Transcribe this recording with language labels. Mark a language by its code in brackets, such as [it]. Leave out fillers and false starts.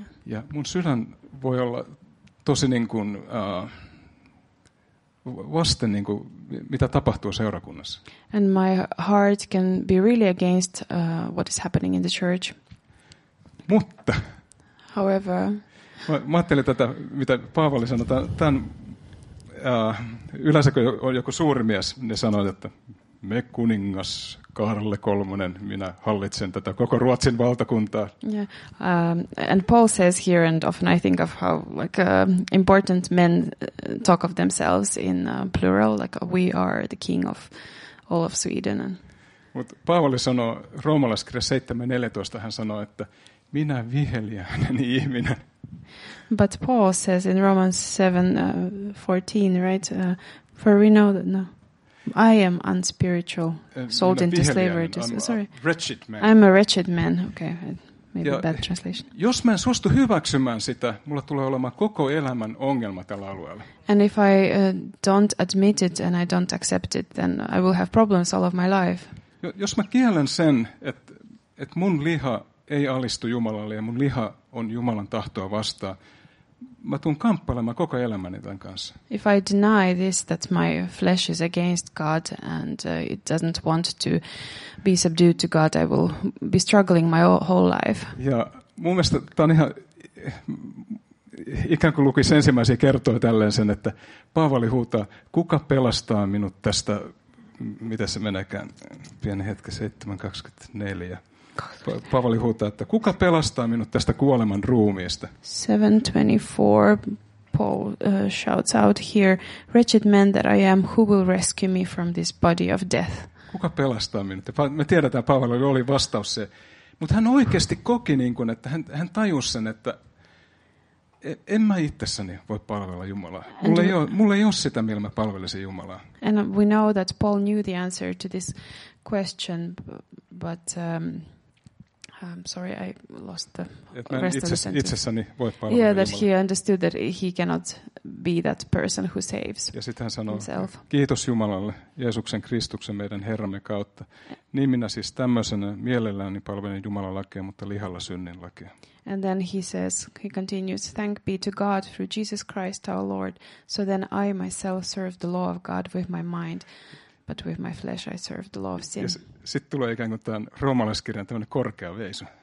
[fi] Ja mun sydän voi olla tosi niin kuin vasten niin kuin mitä tapahtuu seurakunnassa. [en] And my heart can be really against what is happening in the church. [fi] Mutta. [en] However. [fi] Mä ajattelin tätä, mitä Paavali sanoi. Tämän, yleensä kun on joku suuri mies, ne sanoivat, että me kuningas Karle III, minä hallitsen tätä koko Ruotsin valtakuntaa. [en] Yeah. And Paul says here, and often I think of how like important men talk of themselves in plural, like we are the king of all of Sweden. [fi] Mutta Paavali sanoi Roomalaiskirja 7:14, hän sanoi, että minä viheliäinen ihminen. [en] But Paul says in Romans 7:14, right? For we know that no, I am unspiritual, sold into slavery. Sorry, wretched man. I'm a wretched man. Okay, maybe ja bad translation. [fi] Jos mä en suostu hyväksymään sitä, mulla tulee olemaan koko elämän ongelma tällä alueella. [en] And if I don't admit it and I don't accept it, then I will have problems all of my life. [fi] Jos mä kiellän sen, että mun liha ei alistu Jumalalle ja mun liha on Jumalan tahtoa vastaan. Mä tuun kamppailemaan koko elämäni tämän kanssa. [en] If I deny this that my flesh is against God and it doesn't want to be subdued to God, I will be struggling my whole life. [fi] Ja mun mielestä tämä on ihan ikään kuin lukisi ensimmäisiä kertoja tälleen sen, että Paavali huutaa, kuka pelastaa minut tästä, mitä se menekään, pieni hetki, 7:24. Paavali huutaa, että kuka pelastaa minut tästä kuoleman ruumiista? [en] 7:24, Paul shouts out here, wretched man that I am, who will rescue me from this body of death? [fi] Kuka pelastaa minut? Me tiedetään, Paavali oli vastaus se. Mutta hän oikeasti koki, niin kuin, että hän tajusi sen, että en mä itsessäni voi palvella Jumalaa. Mulla ei ole sitä, millä mä palvelisin Jumalaa. [en] And we know that Paul knew the answer to this question, but I lost the rest of the sentence. [fi] Itsessäni voit palvella Jumalaa. [en] Yeah, that he understood that he cannot be that person who saves himself. [fi] Ja sitten hän sanoi, kiitos Jumalalle, Jeesuksen Kristuksen, meidän Herramme kautta. Niin minä siis tämmöisenä mielelläni palvelen Jumalan lakia, mutta lihalla synnin lakia. [en] And then he says, he continues, thank be to God through Jesus Christ our Lord. So then I myself serve the law of God with my mind, but with my flesh I serve the law of sin. [fi] Sitten tulee ikään kuin tämän roomalaiskirjan tämmöinen korkea veisu.